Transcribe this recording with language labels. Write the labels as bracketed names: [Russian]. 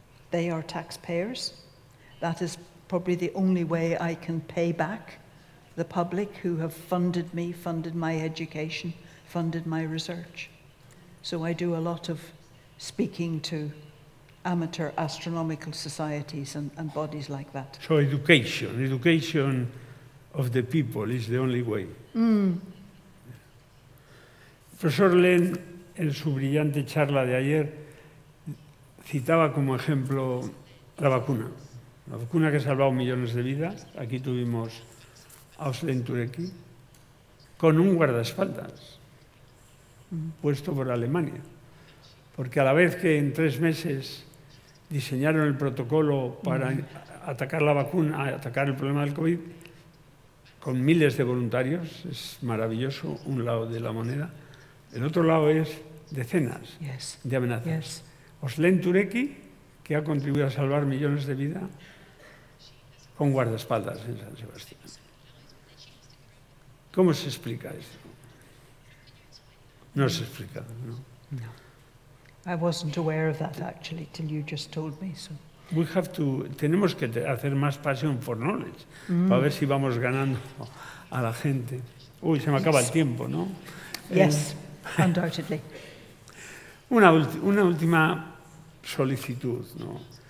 [English] They are taxpayers. That is probably the only way I can pay back the public who have funded me, funded my education, funded my research. So I do a lot of speaking to amateur astronomical societies and bodies like that. So education of the people is the only way. [Spanish] Profesor Len, en su brillante charla de ayer, citaba como ejemplo la vacuna que ha salvado millones de vidas. Aquí tuvimos a Jocelyn Bell, con un guardaespaldas puesto por Alemania. Porque a la vez que en 3 meses diseñaron el protocolo para atacar la vacuna, atacar el problema del COVID, con miles de voluntarios, es maravilloso, un lado de la moneda. El otro lado es decenas de amenazas. [English] Yes. [Spanish] Jocelyn Bell, que ha contribuido a salvar millones de vidas, con guardaespaldas en San Sebastián. ¿Cómo se explica esto? No se explica, ¿no? [English] No. I wasn't aware of that, actually, till you just told me, so. We have to, [Spanish] tenemos que hacer más [English] passion for knowledge, [Spanish] para ver si vamos ganando a la gente. Uy, se me acaba el tiempo, ¿no? [English] Yes. Undoubtedly. [Spanish] Una última solicitud, ¿no?